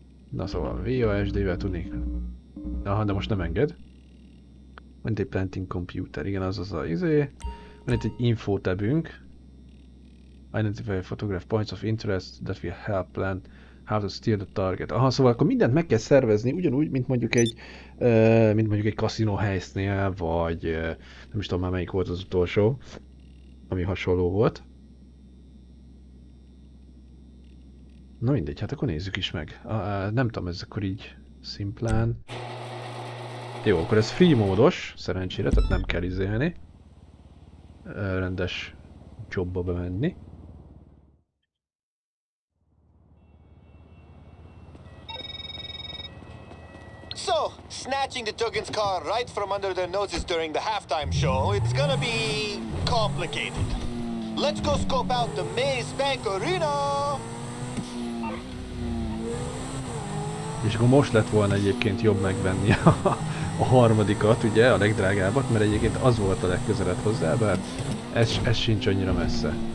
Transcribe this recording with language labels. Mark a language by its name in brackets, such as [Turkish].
[Hungarian] Na szóval, VOSD-vel tudni. Aha, de most nem enged. Van itt egy planting computer, igen, az az a izé. Van itt egy info tabünk. [English] Identify photograph points of interest that will help plan. How to steal the target. [Hungarian] Aha, szóval akkor mindent meg kell szervezni, ugyanúgy, mint mondjuk egy kaszinó helyszínnél, vagy nem is tudom már melyik volt az utolsó, ami hasonló volt. Na mindegy, hát akkor nézzük is meg. Nem tudom, ez akkor így szimplán. Jó, akkor ez free módos, szerencsére, tehát nem kell izélni. Rendes jobba bemenni. [English] So, snatching the Duggan's car right from under their noses during the halftime show, it's gonna be complicated. Let's go scope out the Maze Bank Arena! [Hungarian] És akkor most lett volna egyébként jobb megvenni a harmadikat, ugye, a legdrágábbat, mert egyébként az volt a legközelebb hozzá, bár ez sincs annyira messze.